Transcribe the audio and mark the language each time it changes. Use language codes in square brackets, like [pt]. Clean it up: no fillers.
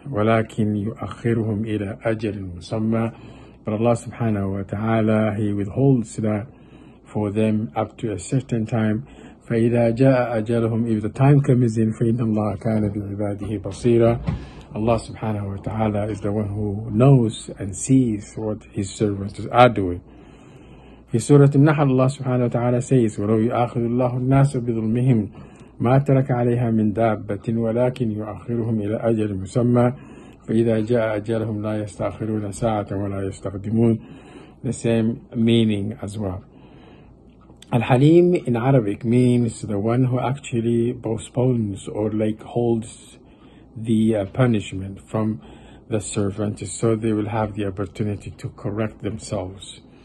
[ar] وَلَكِنْ يُؤَخِّرُهُمْ إِلَىٰ أَجَلٍ مُسَمَّى, [en] but Allah subhanahu wa ta'ala, He withholds that for them up to a certain time. [ar] فَإِذَا جَاءَ أَجَلُهُمْ, [en] if the time comes in, [ar] فَإِنَّ اللَّهَ كَانَ بِعِبَادِهِ بَصِيرًا, [en] Allah subhanahu wa ta'ala is the one who knows and sees what His servants are doing. In Surah An-Nahl, Allah subhanahu wa ta'ala says, [ar] وَلَوْ يُؤَاخِذُ اللَّهُ النَّاسَ بِظُلْمِهِمْ مَا تَرَكَ عَلَيْهَا مِنْ دَابَّةٍ وَلَكِنْ يُؤَخِّرُهُمْ إِلَىٰ أَجَلٍ مُسَمَّى فَإِذَا جَاءَ أَجَلُهُمْ لَا يَسْتَأْخِرُونَ سَاعَةً وَلَا يَسْتَقْدِمُونَ. [en] The same meaning as well. Al-Haleem in Arabic means the one who actually postpones or like holds the punishment from the servant so they will have the opportunity to correct themselves.